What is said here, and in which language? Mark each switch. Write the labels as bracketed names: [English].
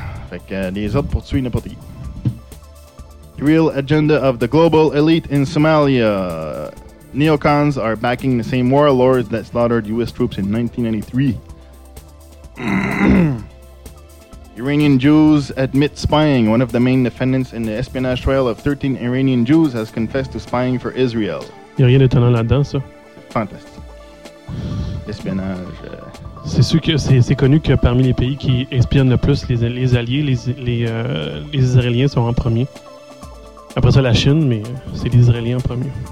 [French] Fait que les autres pour tuer n'importe qui. [English] Real agenda of the global elite in Somalia. Neocons are backing the same warlords that slaughtered US troops in 1993. Iranian Jews admit spying. One of the main defendants in the espionage trial of 13 Iranian Jews has confessed to spying for Israel. [French] Il n'y a rien d'étonnant là-dedans, ça. C'est fantastique. L'espionnage. C'est sûr que c'est connu que parmi les pays qui espionnent le plus, les alliés, les Israéliens sont en premier. Après ça, la Chine, mais c'est les Israéliens en premier.